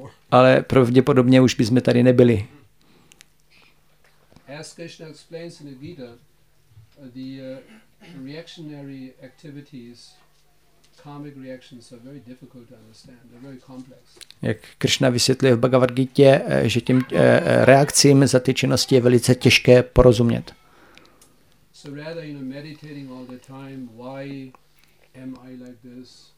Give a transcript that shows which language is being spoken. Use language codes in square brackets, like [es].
[cs] Ale pravděpodobně už bychom tady nebyli. [en] As Krishna explains in the Gita, the reactionary activities, karmic reactions are very difficult to understand. They're very complex. [cs] Jak Krishna vysvětluje v Bhagavad Gitě, že těm reakcím za ty činnosti je velice těžké porozumět. [en] So rather, you know, meditating all the time, why am I like this?